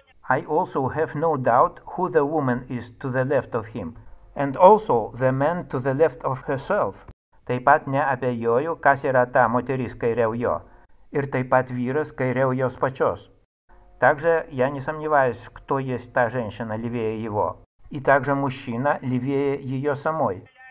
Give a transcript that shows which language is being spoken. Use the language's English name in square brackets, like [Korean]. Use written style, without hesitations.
[English] I also have no doubt who the woman is to the left of him, and also the man to the left of herself. [Lithuanian] Taip pat neabejoju, kas yra ta moteris kairiau jo, ir taip pat vyras kairiau jos pačios. [Russian] Также я не сомневаюсь, кто есть та женщина левее его, и также мужчина левее ее самой.